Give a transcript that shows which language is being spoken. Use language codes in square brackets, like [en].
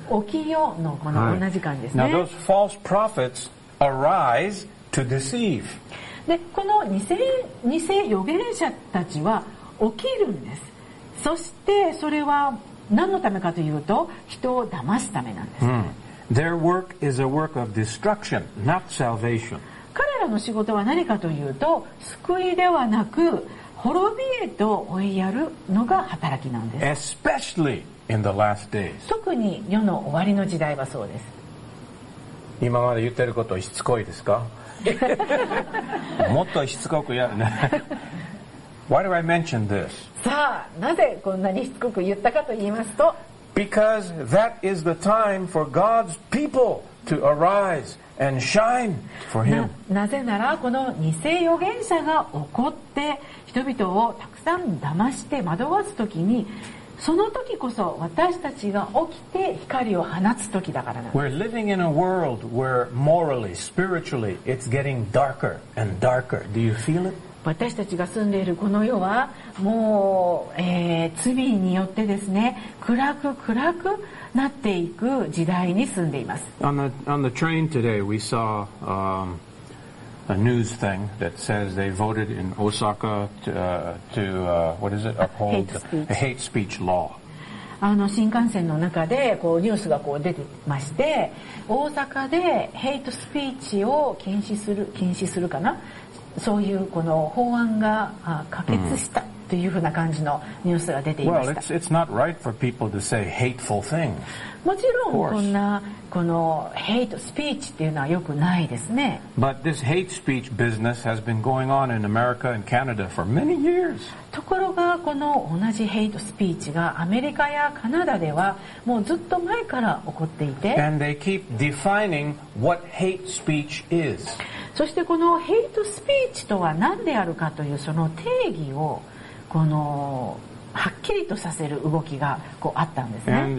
[ja] 起きようのこの同じ感じですね。 [en] Now those false prophets arise to deceive. [ja] で、この偽預言者たちは起きるんです。そしてそれは何のためかというと、人を騙すためなんです。 [en] Their work is a work of destruction, not salvation. [ja] 彼らの仕事は何かというと、救いではなく滅びへと追いやるのが働きなんです。 [en] Especially in the last days. [ja] 特に世の終わりの時代はそうです。今まで言ってることしつこいですか？もっとしつこくやるね。 [en] Why do I mention this? [ja] さあ、なぜこんなにしつこく言ったかと言いますと、 [en] Because that is the time for God's people to arise and shine for Him. [ja] なぜならこの偽預言者が起こって人々をたくさん騙して惑わす時に、その時こそ私たちが起きて光を放つ時だからなんです。 [en] We're living in a world where morally, spiritually, it's getting darker and darker. Do you feel it? [ja] 私たちが住んでいるこの世はもう、罪によってですね、暗くなっていく時代に住んでいます。 [en] On the train today we saw a news thing that says they voted in Osaka to uphold a hate speech law. [ja] 新幹線の中でこうニュースがこう出てまして、大阪でヘイトスピーチを禁止するかな、そういうこの法案が可決したというふうな感じのニュースが出ていました。 [en] Well, it's not right for people to say hateful things. [ja] もちろんこんなこのヘイトスピーチっていうのは良くないですね。 [en] But this hate speech business has been going on in America and Canada for many years. [ja] ところがこの同じヘイトスピーチがアメリカやカナダではもうずっと前から起こっていて、 [en] And they keep defining what hate speech is. [ja] そしてこのヘイトスピーチとは何であるかというその定義をこのはっきりとさせる動きがこうあったんですね。